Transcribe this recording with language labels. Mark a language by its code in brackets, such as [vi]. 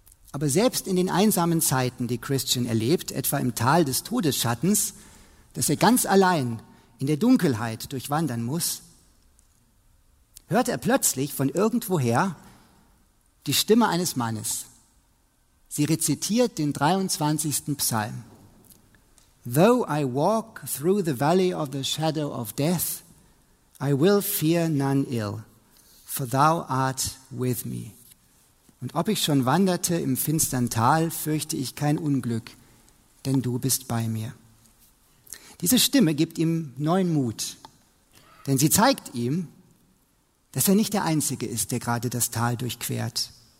[de] Aber selbst in den einsamen Zeiten, die Christian erlebt, etwa im Tal des Todesschattens, das er ganz allein in der Dunkelheit durchwandern muss, hört er plötzlich von irgendwoher die Stimme eines Mannes. Sie rezitiert den 23. Psalm. [en] Though I walk through the valley of the shadow of death, I will fear none ill, for thou art with me. [de] Und ob ich schon wanderte im finstern Tal, fürchte ich kein Unglück, denn du bist bei mir. Diese Stimme gibt ihm neuen Mut, denn sie zeigt ihm, dass er nicht der Einzige ist, der gerade das Tal durchquert.